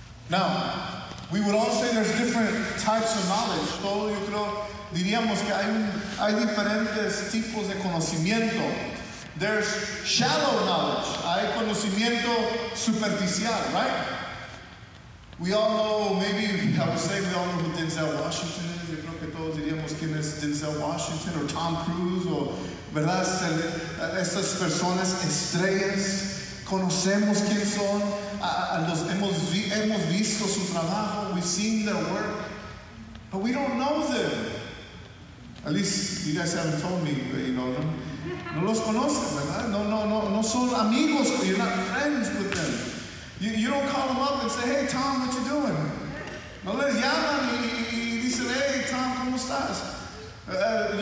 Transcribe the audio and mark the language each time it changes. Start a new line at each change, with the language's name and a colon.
English: Now, we would all say there's different types of knowledge.
Spanish: Todo yo creo, diríamos que hay diferentes tipos de conocimiento.
English: There's shallow knowledge.
Spanish: Hay conocimiento superficial,
English: right? We all know, maybe, I would say we all know who Denzel Washington is.
Spanish: Yo creo que todos diríamos quién es Denzel Washington, or Tom Cruise, o, ¿verdad? Estas personas estrellas, conocemos quién son. Hemos visto su trabajo,
English: we've seen their work, but we don't know them. At least you guys haven't told me, you know them.
Spanish: No los conocen, ¿verdad? No son amigos,
English: you're not friends with them. You don't call them up and say, hey, Tom, what you doing?
Spanish: No les llaman y dicen, hey, Tom, ¿cómo estás?